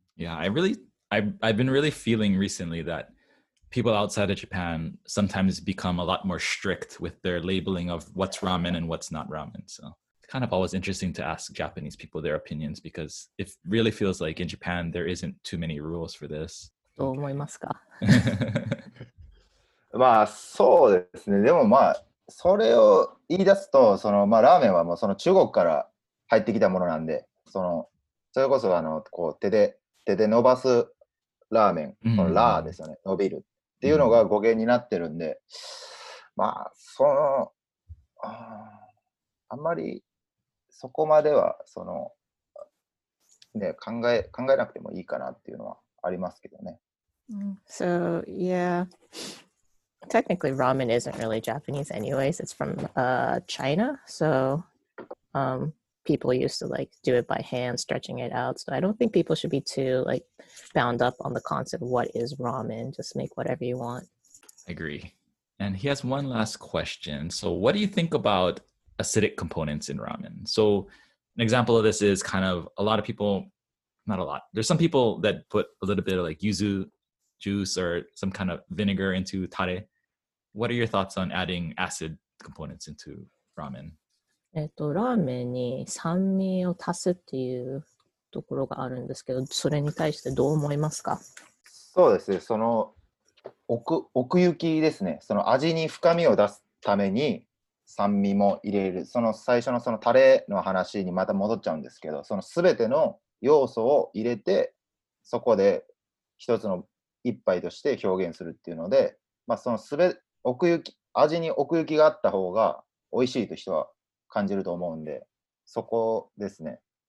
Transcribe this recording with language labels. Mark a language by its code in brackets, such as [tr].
[en] Yeah, I've been really feeling recently that people outside of Japan sometimes become a lot more strict with their labeling of what's ramen and what's not ramen. So kind of always interesting to ask Japanese people their opinions because it really feels like in Japan there isn't too many rules for this. [ja] どう思いますか？まあそうですね。でもまあそれを言い出すとそのまあラーメンはもうその中国から入ってきたものなんで、そのそれこそあのこう手で伸ばすラーメン、うん、そのラーですよね。伸びるっていうのが語源になってるんで、うん、まあそのあんまりそこまではそのね考えなくてもいいかなっていうのはありますけどね。 [en] So yeah, technically ramen isn't really Japanese anyways. It's from China. So people used to like do it by hand, stretching it out. So I don't think people should be too like bound up on the concept of what is ramen. Just make whatever you want. I agree. And he has one last question. So what do you think about acidic components in ramen? So an example of this is kind of a lot of people, not a lot. There's some people that put a little bit of like yuzu juice or some kind of vinegar into tare. What are your thoughts on adding acid components into ramen? [ja] ラーメンに酸味を足すっていうところがあるんですけど、それに対してどう思いますか？そうですね。その奥行きですね。その味に深みを出すために酸味も入れる。その最初のそのタレの話にまた戻っちゃうんですけど、その全ての要素を入れて、そこで一つの一杯として表現するっていうので、まあ、その奥行き、味に奥行きがあった方が美味しいという人は感じると思うんで、そこですね。